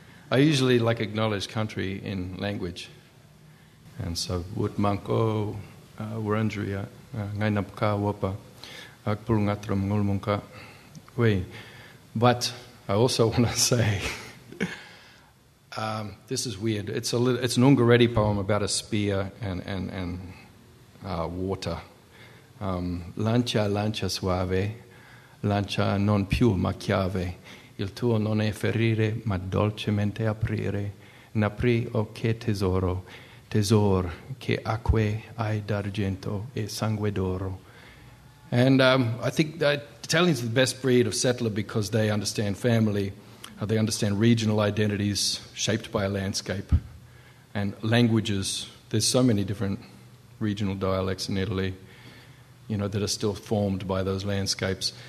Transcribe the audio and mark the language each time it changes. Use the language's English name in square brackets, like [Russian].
[English] I usually like acknowledge country in language. And so, Wutmanko, Wurundjeri, Ngainapka, Wapa, Akpurungatram, Ngulmunka. But I also want to say, this is weird. It's a little, it's an Ungaretti poem about a spear and water. [Italian] Lancia, lancia suave, lancia non più ma chiave. Il tuo non è ferire ma dolcemente aprire. N'apri o che tesoro, tesor che acque hai d'argento e sangue d'oro. [English] And I think that Italians are the best breed of settler because they understand family, they understand regional identities shaped by a landscape, and languages. There's so many different regional dialects in Italy, you know, that are still formed by those landscapes.